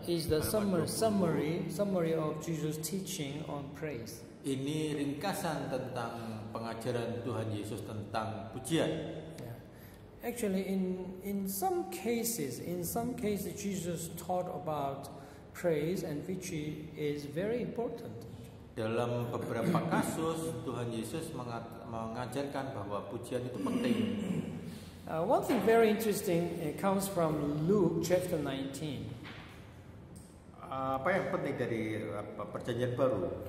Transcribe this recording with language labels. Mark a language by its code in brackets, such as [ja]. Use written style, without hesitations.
[en] Is the summary of Jesus' teaching on praise. [id] Ini ringkasan tentang pengajaran Tuhan Yesus tentang pujian. [en] Yeah. Actually, in some cases, Jesus taught about praise, and which is very important. [id] Dalam beberapa kasus, Tuhan Yesus mengajarkan bahwa pujian itu penting. [en] One thing very interesting comes from Luke chapter 19. [id] Apa yang penting dari perjanjian baru?